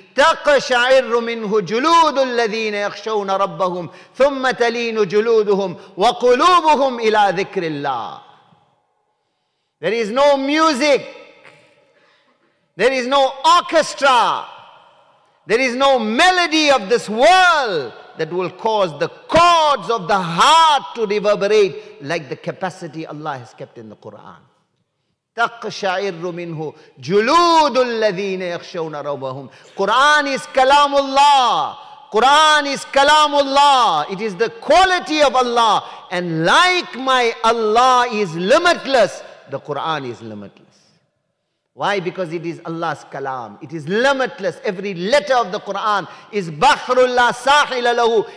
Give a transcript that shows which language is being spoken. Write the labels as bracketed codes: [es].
[ar] تقشعر منه جلود الذين يخشون ربهم ثم تلين جلودهم وقلوبهم إلى ذكر الله. [en] There is no music. There is no orchestra. There is no melody of this world that will cause the chords of the heart to reverberate like the capacity Allah has kept in the Quran. [ar] تَقْشَعِرُّ مِنْهُ جُلُودُ الَّذِينَ يَخْشَوْنَ رَوْبَهُمْ [en] Quran is Kalamullah. Quran is Kalamullah. It is the quality of Allah. And like my Allah is limitless, the Quran is limitless. Why? Because it is Allah's Kalam. It is limitless. Every letter of the Quran is [ar] Bahrullah Sahila Lahu.